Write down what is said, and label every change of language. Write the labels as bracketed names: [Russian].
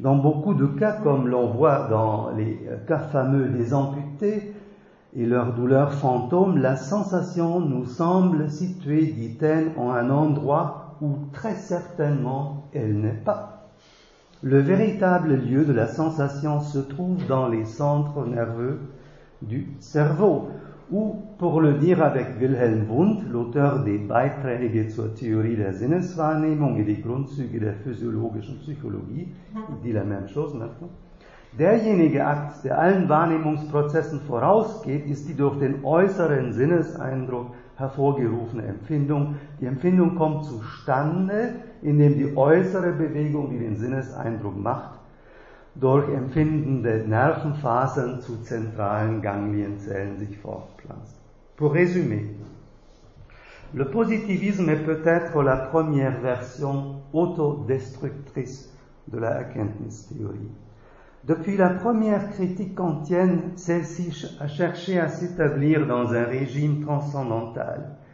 [French] Dans beaucoup de cas, comme l'on voit dans les cas fameux des amputés et leurs douleurs fantômes, la sensation nous semble située, dit-elle, en un endroit où très certainement elle n'est pas. Le véritable lieu de la sensation se trouve dans les centres nerveux du cerveau, ou, pour le dire avec Wilhelm Wundt, l'auteur des Beiträge zur Theorie der Sinneswahrnehmung et des Grundzüge der physiologischen Psychologie, il dit la même chose maintenant, [German] derjenige Akt, der allen Wahrnehmungsprozessen vorausgeht, ist die durch den äußeren Sinneseindruck hervorgerufene Empfindung. Die Empfindung kommt zustande, indem die äußere Bewegung, die den Sinneseindruck macht, durch empfindende Nervenfasern zu zentralen Ganglienzellen sich fortpflanzt. [French] Pour résumer, le positivisme est peut-être la première version autodestructrice de la Erkenntnistheorie. Depuis la première critique kantienne, celle-ci a cherché à s'établir dans un régime transcendantal.